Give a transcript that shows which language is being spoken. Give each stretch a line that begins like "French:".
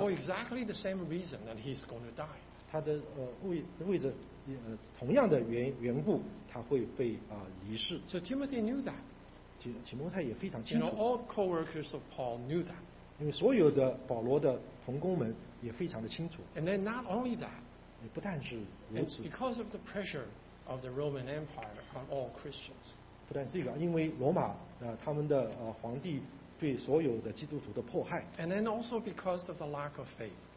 English: For exactly the same reason that he's going to die.
Chinese: 他的为着同样的缘故，他会被离世。
English: So Timothy knew that.
Chinese: 提摩太也非常清楚。
English: You know, all co-workers of Paul knew that.
Chinese: 因为所有的保罗的同工们也非常的清楚。
English: And then not only that,
Chinese: 也不但是如此。
English: Because of the pressure of the Roman Empire on all Christians.
Chinese: 不但是这个，因为罗马他们的皇帝对所有的基督徒的迫害。
English: And then also because of the lack of faith.